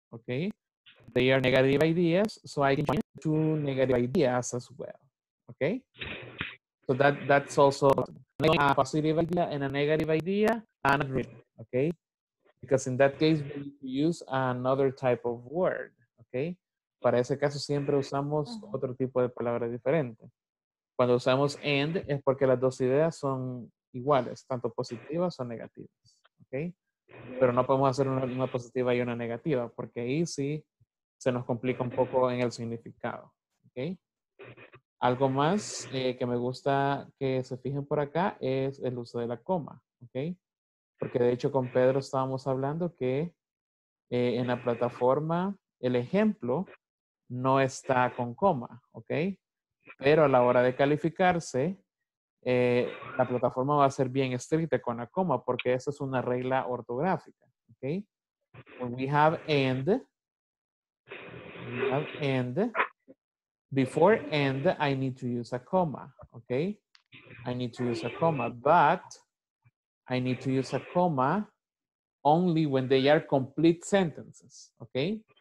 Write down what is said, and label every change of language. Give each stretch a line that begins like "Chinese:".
English: Okay, they are negative ideas, so I can join two negative ideas as well. Okay, so that's also a positive idea and a negative idea, and a dream. Okay, because in that case, we use another type of word.
Spanish: Okay, para ese caso, siempre usamos otro tipo de palabra diferente. Cuando usamos and, es porque las dos ideas son iguales, tanto positivas o negativas. Okay. Pero no podemos hacer una positiva y una negativa, porque ahí sí se nos complica un poco en el significado, ¿okay? Algo más que me gusta que se fijen por acá es el uso de la coma, ¿okay? Porque de hecho con Pedro estábamos hablando que en la plataforma el ejemplo no está con coma, ¿okay? Pero a la hora de calificarse, la plataforma va a ser bien estricta con la coma porque esa es una regla ortográfica, okay?
English: When we have and, before and I need to use a comma, okay? I need to use a comma, but I need to use a comma only when they are complete sentences, okay?